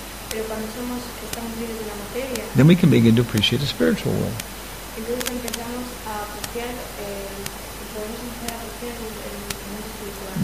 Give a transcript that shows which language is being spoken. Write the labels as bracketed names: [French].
[Spanish] pero cuando somos, estamos libres de la materia, [English] then we can begin to appreciate the spiritual world. [Spanish] Entonces empezamos a apreciar, podemos empezar a apreciar el mundo espiritual.